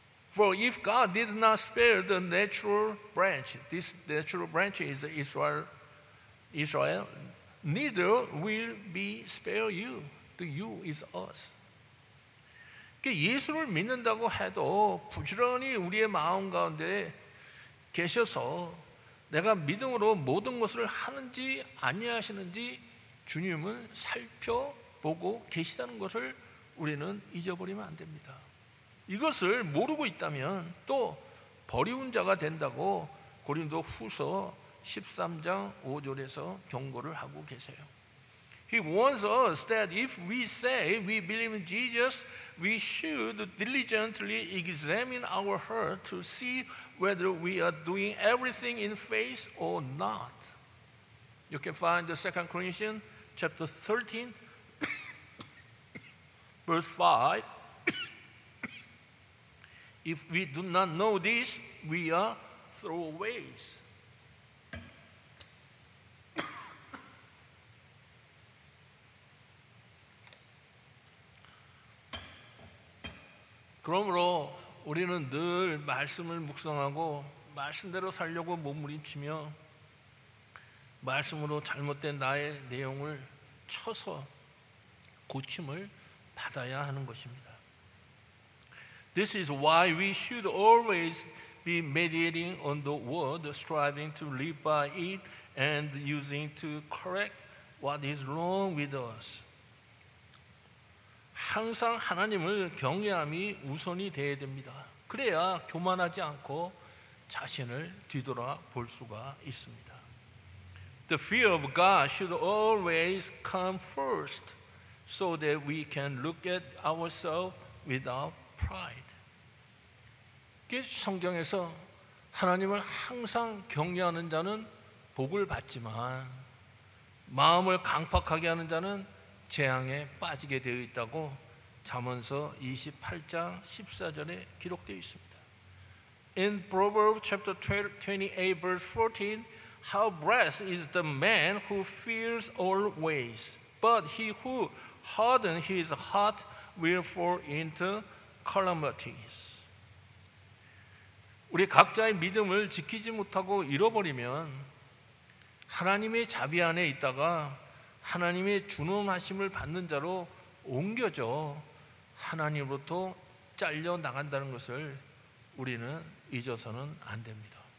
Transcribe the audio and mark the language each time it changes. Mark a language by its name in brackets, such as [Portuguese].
[English] For if God did not spare the natural branch, this natural branch is Israel, neither will be spare you. The you is us. [Korean] 예수를 믿는다고 해도 부지런히 우리의 마음 가운데 계셔서 내가 믿음으로 모든 것을 하는지 아니하시는지 주님은 살펴보고 계시다는 것을 우리는 잊어버리면 안 됩니다. 이것을 모르고 있다면 또 버리운 자가 된다고 고린도 후서 13장 5절에서 경고를 하고 계세요. [English] He warns us that if we say we believe in Jesus, we should diligently examine our heart to see whether we are doing everything in faith or not. You can find the 2 Corinthians chapter 13, verse 5. If we do not know this, we are throwaways. [Korean] 그러므로 우리는 늘 말씀을 묵상하고 말씀대로 살려고 몸부림치며 말씀으로 잘못된 나의 내용을 쳐서 고침을 받아야 하는 것입니다. [English] This is why we should always be meditating on the word, striving to live by it and using to correct what is wrong with us. [Korean] 항상 하나님을 경외함이 우선이 되어야 됩니다. 그래야 교만하지 않고 자신을 뒤돌아 볼 수가 있습니다. [English] The fear of God should always come first so that we can look at ourselves without pride. [Korean] 성경에서 하나님을 항상 경외하는 자는 복을 받지만 마음을 강퍅하게 하는 자는 재앙에 빠지게 되어 있다고 잠언서 28장 14절에 기록되어 있습니다. [English] In Proverbs chapter 28 verse 14, how blessed is the man who fears always, but he who harden his heart will fall into calamities. [Korean] 우리 각자의 믿음을 지키지 못하고 잃어버리면 하나님의 자비 안에 있다가 하나님의 준엄하심을 받는 자로 옮겨져 하나님으로부터 잘려 나간다는 것을 우리는 잊어서는 안 됩니다.